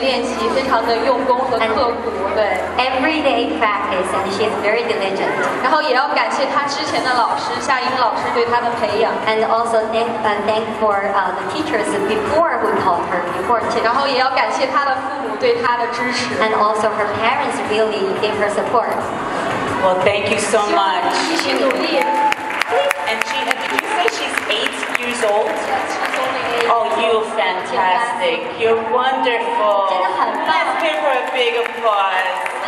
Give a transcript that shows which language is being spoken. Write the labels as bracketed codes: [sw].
[en] Every day practice, and she is very diligent. [zh] 然后也要感谢她之前的老师夏英老师对她的培养 [en] And also thank for the teachers before we taught her. Before, [zh] 然后也要感谢她的父母对她的支持 [en] And also her parents really gave her support. Well, thank you so much. [zh] 继续努力 [en] And she, did you say she's 8 years old? Oh, you're fantastic. You're wonderful. Let's give her a big applause.